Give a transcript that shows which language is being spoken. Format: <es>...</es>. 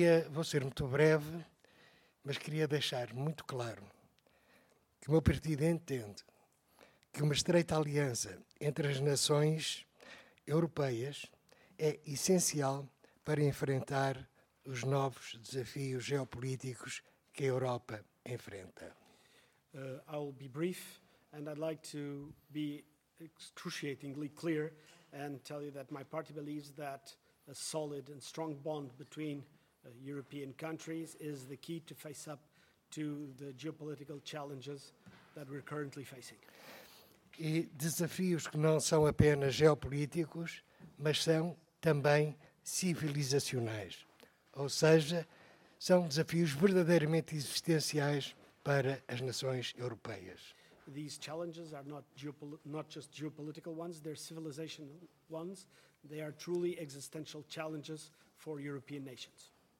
<pt>Vou ser muito breve, mas queria deixar muito claro que o meu partido entende que uma estreita aliança entre as nações europeias é essencial para enfrentar os novos desafios geopolíticos que a Europa enfrenta.</pt> <en>I will be brief, and I'd like to be excruciatingly clear and tell you that my party believes that a solid and strong bond between European countries is the key to face up to the geopolitical challenges that we're currently facing.</en> <pt>E desafios que não são apenas geopolíticos, mas são também civilizacionais. Ou seja, são desafios verdadeiramente existenciais para as nações europeias.</pt> <en>These challenges are not just geopolitical ones, they're civilizational ones. They are truly existential challenges for European nations.</en>